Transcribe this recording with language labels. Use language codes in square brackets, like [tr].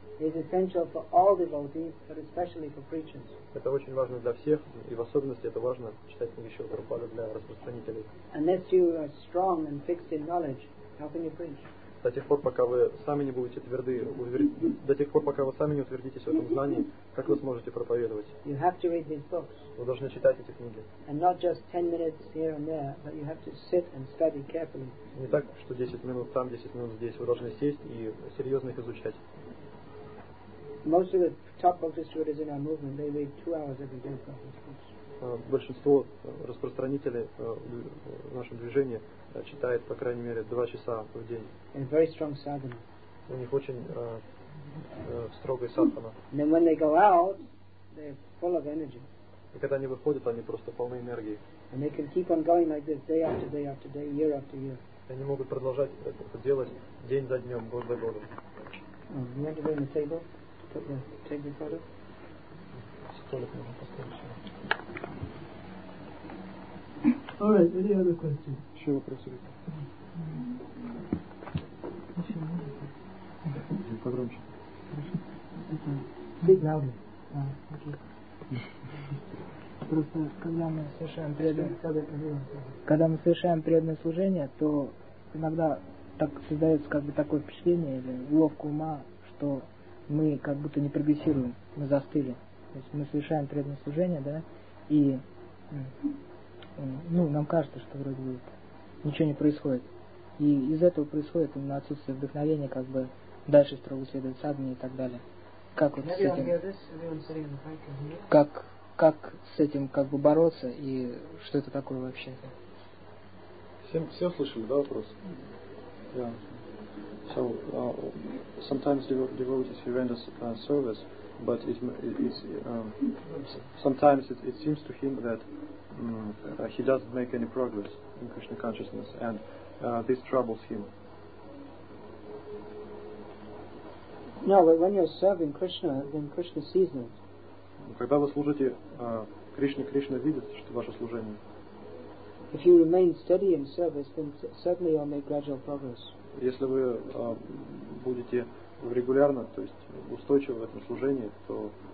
[en] It is essential for all devotees, but especially for preachers. [ru] Это очень важно для всех, и в особенности это важно читать книги Шрилы Прабхупады для распространителей. [en] Unless you are strong and fixed in knowledge, how can you preach? [ru] До тех пор, пока вы сами не будете тверды, до тех пор, пока вы сами не утвердитесь в этом знании, как вы сможете проповедовать? [en] You have to read these books. [ru] Вы должны читать эти книги. [en] And not just 10 minutes here and there, but you have to sit and study carefully. [ru] Не так, что 10 минут там, 10 минут здесь. Вы должны сесть и серьезно их изучать. [en] Most of the top book distributors in our movement, they read 2 hours every day. [ru] Большинство распространителей в нашем движении читает по крайней мере 2 часа в день. [en] Very strong sadhana. [ru] У них очень строгая садхана. [en] And when they go out, they're full of energy. [ru] И когда они выходят, они просто полны энергии. [en] And they can keep on going like this day after day after day, year after year. [ru] И они могут продолжать это делать день за днем, год за годом. [en] You want to go on the table? Take the photo. [ru] Столик можно поставить сюда. [en] All right, any other questions? [ru] Еще вопросы? Еще можно? Погромче. [en] Speak louder. [ru] Просто, когда мы совершаем преданное служение, то иногда так создается как бы такое впечатление или уловка ума, что мы как будто не прогрессируем, мы застыли. То есть мы совершаем преданное служение, да, и... Ну, нам кажется, что вроде бы ничего не происходит. И из этого происходит именно отсутствие вдохновения, как бы дальше строго следовать садхане и так далее. Как вот с этим, как с этим как бы бороться и что это такое вообще? Все слышали, да, вопрос? Да. [en] Yeah. So, sometimes devotees render service, but it seems to him that he doesn't make any progress in Krishna consciousness, and this troubles him. No, but when you're serving Krishna, then Krishna sees it. [ru] Когда вы служите Кришне, Кришна видит, что ваше служение. [en] If you remain steady in service, then certainly you'll make gradual progress. [ru] Если вы будете регулярно, то есть устойчивы в этом служении, то